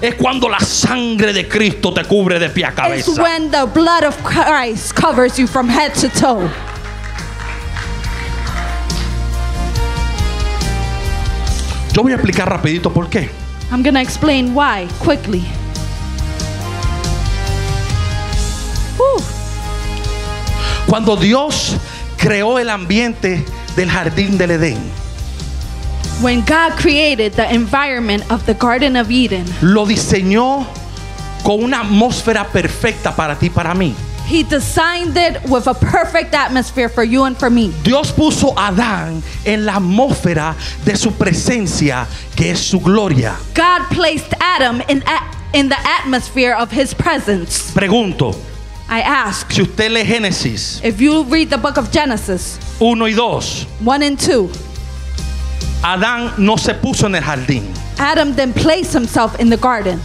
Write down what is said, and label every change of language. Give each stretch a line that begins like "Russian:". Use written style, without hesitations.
Spanish: Es cuando la sangre de Cristo te cubre de pie a cabeza.
English: Is when the blood of Christ covers you from head to toe.
Spanish: Yo voy a explicar rapidito por qué.
English: I'm going to explain why quickly. Whew.
Spanish: Cuando Dios creó el ambiente del jardín del Edén.
English: When God created the environment of the Garden of Eden.
Spanish: Lo diseñó con una atmósfera perfecta para ti y para mí.
English: He designed it with a perfect atmosphere for you and for me.
Spanish: Dios puso a Adán en la atmósfera de su presencia, que es su gloria.
English: God placed Adam in the atmosphere of his presence.
Spanish: Pregunto.
English: I ask.
Spanish: Si usted lee Génesis.
English: If you read the book of Genesis.
Spanish: 1 y 2.
English: 1 and 2.
Spanish: Adán no se puso en el jardín.
English: Adam then placed himself in the garden.